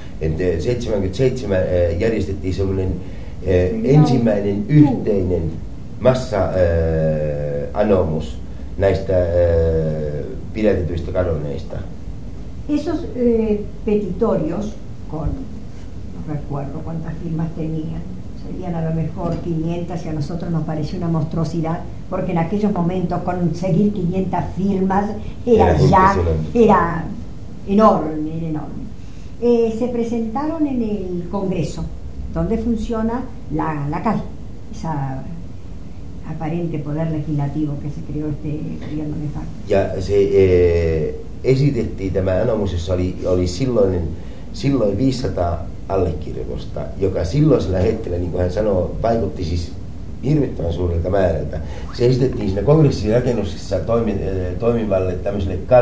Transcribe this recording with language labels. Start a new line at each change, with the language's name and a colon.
Finnish: En 77 järjestettiin semmoinen ensimmäinen yhteinen massa-anomus näistä pidätetyistä kadonneista.
Spanish: Esos petitorios, con no recuerdo cuántas firmas tenían, serían a lo mejor 500, y a nosotros nos pareció una monstruosidad, porque en aquellos momentos conseguir 500 firmas era enorme, era enorme. Se presentaron en el Congreso, donde funciona la calle, esa aparente poder legislativo que se creó este gobierno de facto. Ya, sí.
Finnish: Esitettiin tämä anomus, jossa oli silloin 500 allekirjoitusta, joka silloisella hetkellä, niin kuin hän sanoo, vaikutti siis hirvittävän suurelta määrältä. Se esitettiin siinä kongressirakennuksessa toimivalle tämmöiselle